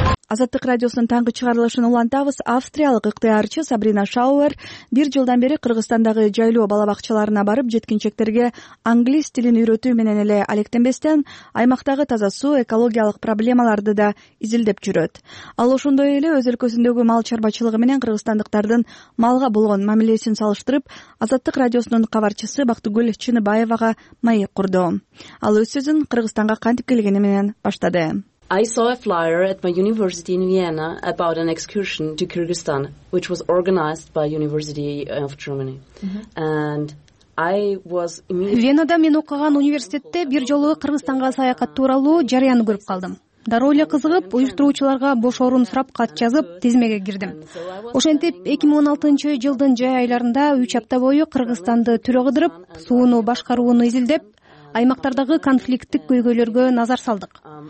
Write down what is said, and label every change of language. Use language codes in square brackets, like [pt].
[ky] Азаттык радиосунун таңкы чыгарылышын улантабыз. Австриялык ыктыярчы Сабрина Шауэр бир жылдан бери Кыргызстандагы жайлоо бала бакчаларына барып жеткинчектерге англис тилин үйрөтүү менен эле алектенбестен аймактагы таза суу, экологиялык проблемаларды да изилдеп жүрөт. Ал ошондой эле өз өлкөсүндөгү мал чарбачылыгы менен кыргызстандыктардын малга болгон мамилесин салыштырып, Азаттык радиосунун кабарчысы Бактыгүл Чыныбаевага маек курду. Ал өз сөзүн Кыргызстанга кантип келгени менен баштады. [en] I saw a flyer at my university in Vienna about an excursion to Kyrgyzstan, which was organized by University of Germany. And I was [ky] Венада мен окуган университетте бир жолу Кыргызстанга саякат тууралуу жарыяны көрүп калдым. Дароо эле кызыгып, уюштуруучуларга бош орун сурап кат жазып, тизмеге кирдим. Ошентип 2016-жылдын жай айларында 3 апта бою Кыргызстанды түрө кыдырып, сууну башкарууну изилдеп, аймактардагы конфликттик көйгөйлөргө назар салдык.